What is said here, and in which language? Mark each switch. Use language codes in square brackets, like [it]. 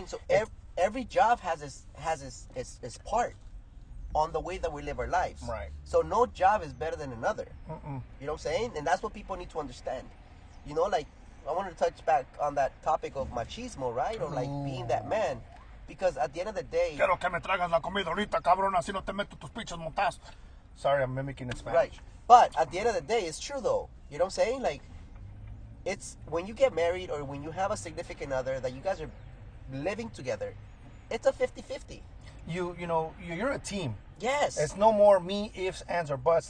[en] what I'm saying? So every job has its part on the way that we live our lives. Right. So no job is better than another. Mm-mm. You know what I'm saying? And that's what people need to understand. You know, like, I wanted to touch back on that topic of machismo, right? Or like being that man. Because at the end of the day... [es] Quiero que me traigas la comida ahorita, cabrón, así no te meto tus pinches montas. [en] Sorry, I'm mimicking in Spanish. Right. But at the end of the day, it's true though. You know what I'm saying? Like, it's when you get married or when you have a significant other that you guys are living together, it's a 50-50. You know, you're a team. Yes. It's no more me, ifs, ands, or buts.